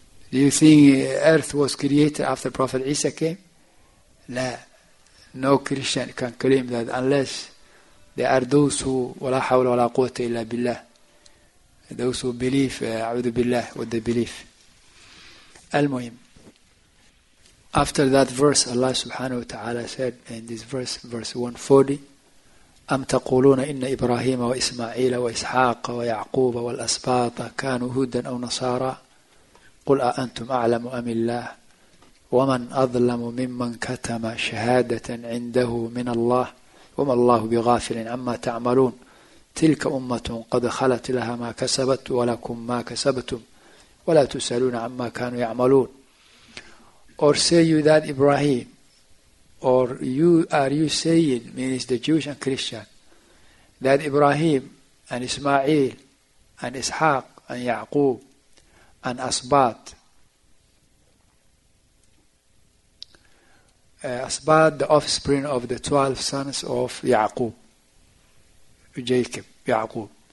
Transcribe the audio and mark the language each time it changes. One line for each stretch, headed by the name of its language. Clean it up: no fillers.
English: Do you think earth was created after Prophet Isa came? La. No Christian can claim that unless there are those who
Arabic: وَلَا حَوْلَ وَلَا قُوَّةَ إِلَّا بِاللَّهِ,
English: those who believe
Arabic: أَعُوذُ بِاللَّهِ
English: with the belief. Al-Muhim. After that verse, Allah subhanahu wa ta'ala said in this verse, verse 140,
Arabic: أَمْ تَقُولُونَ إِنَّ إِبْرَاهِيمَ وَإِسْمَعِيلَ وَإِسْحَاقَ وَيَعْقُوبَ وَالْأَسْبَاطَ كَانُوا هُودًا أَوْ نَصَارًا قُلْ أَأَنْتُمْ أَعْلَمُ أَمِ اللَّهِ وَمَنْ أَظْلَمُ مِمَّنْ كَتَمَ شَهَادَةً عِنْدَهُ مِنَ اللَّهِ وَمَا اللَّهُ بِغَافِلٍ عَمَّا تَعْمَلُونَ تِلْكَ أُمَّةٌ قَدْ خَلَتْ لَهَا مَا كَسَبَتْ وَلَكُمْ مَا كَسَبْتُمْ وَلَا تُسَأَلُونَ عَمَّا كَانُوا يَعْمَلُونَ.
English: Or say you that Ibrahim, or you are you saying, means the Jewish and Christian, that Ibrahim and Ismail and Ishaq and Yaqub and Asbat, Asbad, the offspring of the 12 sons of Yaqub, Jacob, Yaqub.